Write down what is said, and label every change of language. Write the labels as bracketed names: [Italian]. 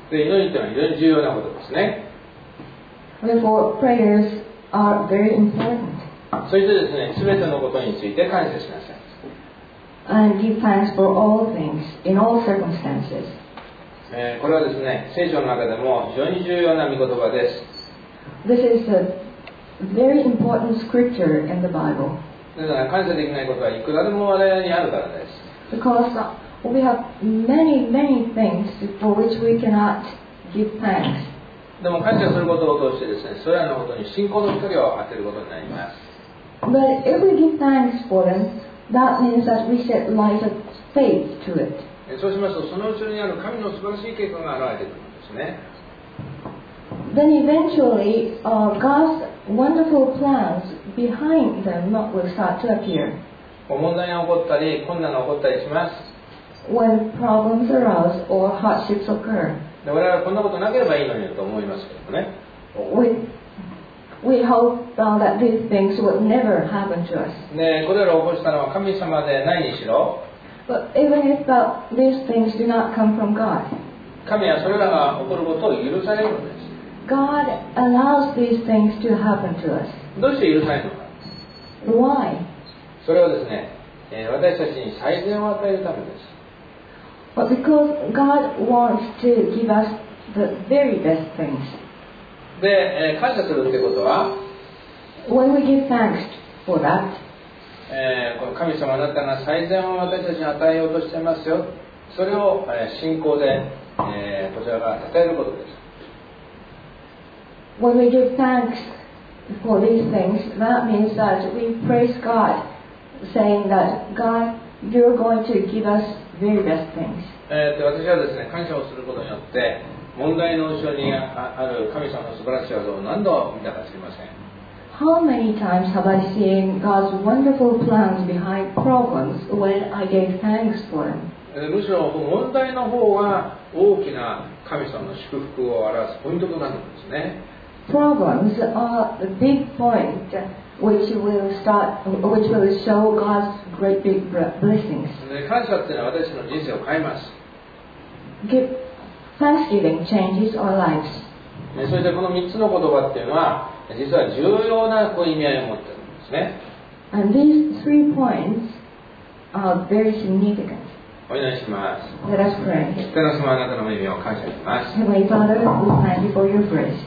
[Japanese] 祈りというのは非常に重要なことですね。 [English] Therefore, prayers are very important. [Japanese] それでですね、すべてのことについて感謝しなさい。 [English] And give thanks for all things in all circumstances. [Japanese] これはですね、聖書の中でも非常に重要な御言葉です。 [English] This is a very important scripture in the Bible. [Japanese] だから感謝できないことはいくらでも我々にあるからです。 [English] Because we have many, many things for which we cannot give thanks. [Japanese] でも感謝することを通してですね、それらのことに信仰の光を当てることになります。 [English] But if we give thanks for them,That means that we set light of faith to it. [Japanese] そうしますと、その後ろにある神の素晴らしい計画が現れてくるんですね。 [English] Then eventually, God's wonderful plans behind them will start to appear. [Japanese] 問題が起こったり、困難が起こったりします。 [English] When problems arise or hardships occur. [Japanese] 我々はこんなことなければいいのにと思いますけどね。 [English] We hope that these things would never happen to us. [Japanese] ね、これらを起こしたのは神様でないにしろ。 [English] But even if these things do not come from God, [Japanese] 神はそれらが起こることを許されるのです。 [English] God allows these things to happen to us. [Japanese] どうして許されるのか。 [English] Why? [Japanese] それはですね、私たちに最善を与えるためです。 [English] But because God wants to give us the very best things. [Japanese] で、感謝するってことは、 [English] When we give thanks for that, [Japanese] 神様あなたが最善を私たちに与えようとしていますよ。それを、信仰で、こちらが称えることです。 [English] When we give thanks for these things, that means that we praise God, saying that God, you're going to give us. [Japanese] 私はですね、感謝をすることによって問題の後ろにある神様の素晴らしい技を何度見たか知りません。 [English] How many times have I seen God's wonderful plans behind problems when I gave thanks for them? [Japanese] むしろ問題の方が大きな神様の祝福を表すポイントとなるんですね。 [English] Problems are the big point which will start, which will show God's great big blessings. [Japanese] 感謝というのは私の人生を変えます。 [English] Thanksgiving changes our lives. [Japanese] そしてこの3つの言葉というのは実は重要な意味合いを持っているんですね。 [English] And these three points are very significant. [Japanese] お祈りします。 [English] Let us pray. [Japanese] 天の様、あなたの恵みを感謝します。 [English] Heavenly Father, we thank you for your grace.